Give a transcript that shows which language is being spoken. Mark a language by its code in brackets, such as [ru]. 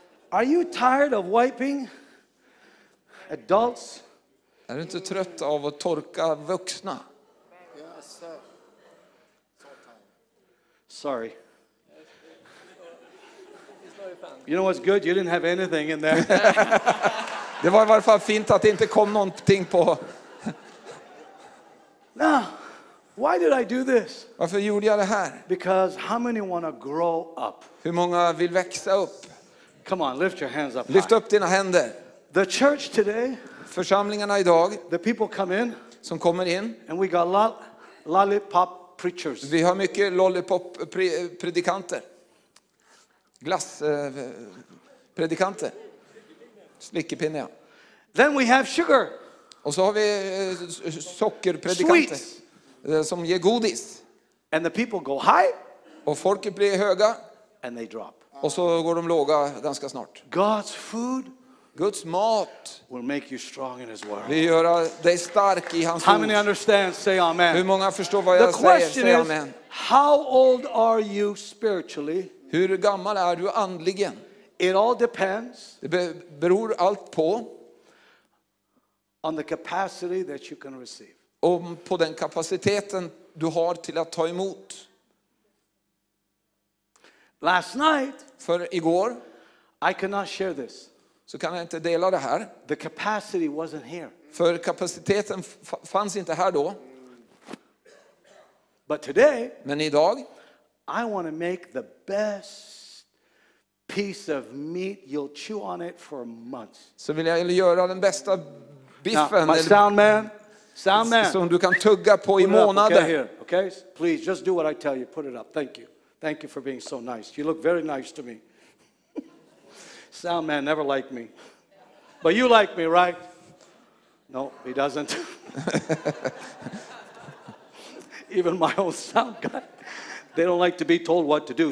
[en] Are you tired of wiping adults? [sv] Är du inte trött av att torka vuxna? [en] Sorry. You know what's good? You didn't have anything in there. [sv] Det var i alla fall fint att det inte kom någonting på. [en] Now, why did I do this? [sv] Varför gjorde jag det här? [en] Because how many want to grow up? [sv] Hur många vill växa upp? [en] Come on, lift your hands up. [sv] Lyft upp dina händer. [en] The church today. [sv] Församlingarna idag. [en] The people come in. [sv] Som kommer in. [en] And we got lollipop preachers. [sv] Vi har mycket lollipop predikanter. Glass predikanter. Slickepinne. [en] Then we have sugar. [sv] Och så har vi sockerpredikanter. [en] Sweets. [sv] Som ger godis. [en] And the people go high. [sv] Och folk blir höga. [en] And they drop. [sv] Och så går de låga ganska snart. [en] God's food. [sv] Guds mat. [en] Will make you strong in His word. [sv] Vi gör dig stark i hans ord. [en] How many understand? Say amen. [sv] Hur många förstår vad jag säger? [en] The question is, how old are you spiritually? [sv] Hur gammal är du andligen? [en] It all depends. [sv] Det beror allt på. [en] On the capacity that you can receive. [sv] Om på den kapaciteten du har till att ta emot. [en] Last night, [sv] för igår, [en] I cannot share this. [sv] Så kan jag inte dela det här. [en] The capacity wasn't here. [sv] För kapaciteten fanns inte här då. [en] But today, [sv] men idag, [en] I want to make the best piece of meat you'll chew on it for months. [sv] Så vill jag göra den bästa biffen. [en] Now, my sound man. Sound man. [sv] Som du kan tugga på i månader. [en] Okay, please just do what I tell you. Put it up. Thank you. Thank you for being so nice. You look very nice to me. Sound man never liked me. But you like me, right? No, he doesn't. Even my own sound guy. They don't like to be told what to do.